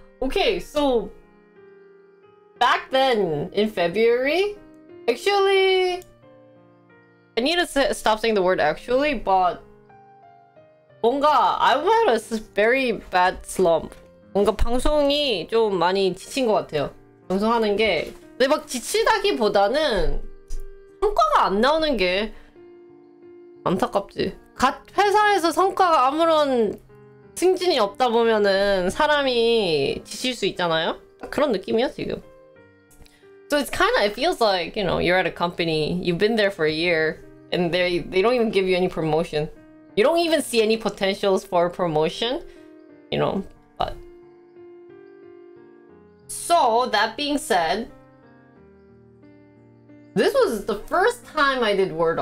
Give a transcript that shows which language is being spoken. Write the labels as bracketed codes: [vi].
[en] Okay, so back then in February. Actually, I need to stop saying the word actually, but [ko] 뭔가 [en] I had a very bad slump. [ko] 뭔가 방송이 좀 많이 지친 것 같아요. 방송하는 게 근데 막 지치다기보다는 성과가 안 나오는 게 안타깝지. 각 회사에서 성과가 아무런 승진이 없다 보면은 사람이 지칠 수 있잖아요. 그런 느낌이야 지금. [en] So it's kind of, it feels like, you know, you're at a company, you've been there for a year, and they don't even give you any promotion. You don't even see any potentials for promotion, you know, but. So that being said, this was the first time I did Wordle.